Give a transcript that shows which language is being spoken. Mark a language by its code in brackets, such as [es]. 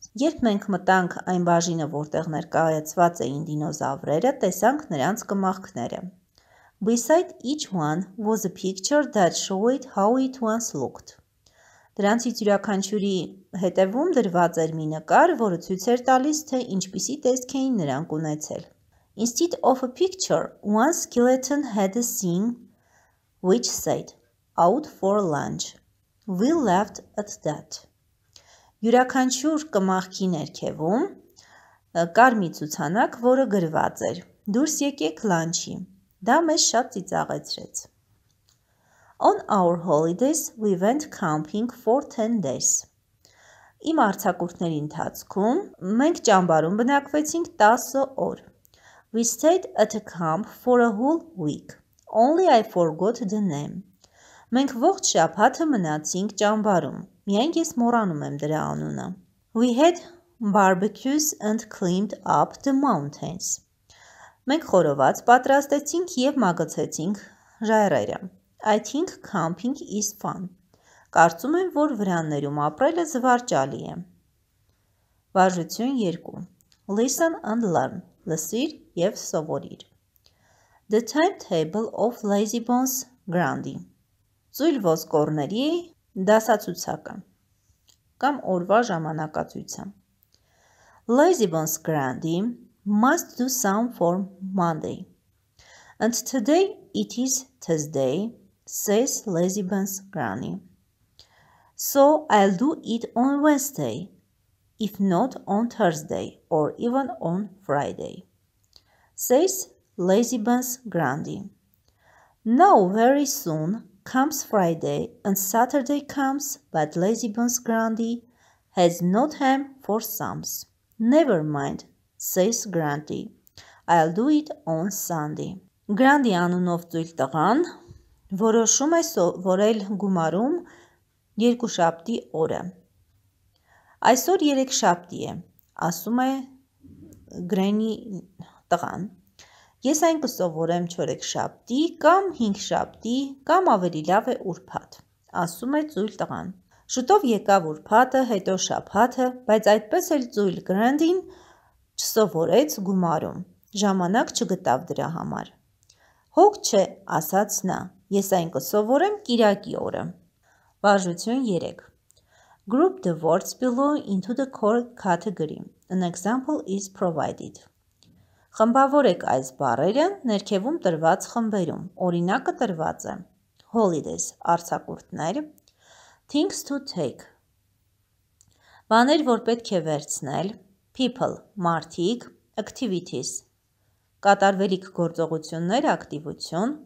[hy] Երբ մենք մտանք այն բաժինը, որտեղ ներկայացված էին դինոզավրերը, տեսանք նրանց կմախքները. [en] Beside each one was a picture that showed how it once looked. [hy] Դրանցից յուրաքանչյուրի հետևում դրված էր մի նկար, որը ցույց էր տալիս, թե ինչպիսի տեսք էին նրանք ունեցել. [en] Instead of a picture, one skeleton had a sign which said, "Out for lunch." We laughed at that. [hy] Յուրաքանչյուր կմախքի ներքևում կար մի ցուցանակ, որը գրված էր. Դուրս եկեք լանչի. Դա մեզ շատ ծիծաղեցրեց. [en] On our holidays, we went camping for 10 days. [hy] Իմ արձակուրդների ընթացքում մենք ճամբարում բնակվեցինք 10 օր. [en] We stayed at a camp for a whole week. Only I forgot the name. [hy] Մենք ողջ շաբաթը մնացինք ճամբարում. Միայն ես մոռանում եմ դրա անունը. [en] We had barbecues and climbed up the mountains. [hy] Մենք խորոված պատրաստեցինք եւ մագծեցինք ժայռերը. [en] I think camping is fun. [hy] Կարծում եմ, որ վրաններում ապրելը զվարճալի է։ Վարժություն 2. [en] Listen and learn. [hy] Լսիր եւ սովորիր։ [en] The timetable of Lazy Bones Grandi. [hy] Ծույլ ոսկորների դասացուցակը կամ օրվա ժամանակացույցը։ [en] Lazy Bones Grandi must do some for Monday. And today it is Thursday. says Lazybones Granny. So I'll do it on Wednesday, if not on Thursday or even on Friday, says Lazybones Granny. Now very soon comes Friday and Saturday comes, but Lazybones Granny has no time for sums. Never mind, says Granny. I'll do it on Sunday. [hy] Granny անունով ծույլ տղան որոշում է սովորել գումարում երկու շաբթի օրը. Այսօր երեք շաբթի է, ասում է Granny տղան. Ես այն կսովորեմ 4 շաբթի կամ 5 շաբթի կամ ավելի լավ է ուրբաթ, ասում է ծույլ տղան. Շուտով եկավ ուրբաթը, հետո շաբաթը, բայց այդպես էլ ծույլ Granny-ն չսովորեց գումարում. Ժամանակ չգտավ դրա համար. Հոգ չէ, ասաց նա, ես այն կսովորեմ կիրակի օրը. Վարժություն 3. [en] Group the words below into the core category. An example is provided. [hy] Խմբավորեք այս բառերը ներքևում տրված խմբերում. Օրինակը տրված է. Holidays – արձակուրդներ. Things to take – բաներ, որ պետք է վերցնել. People – մարդիկ. Activities – կատարվելիք գործողություններ, ակտիվություն.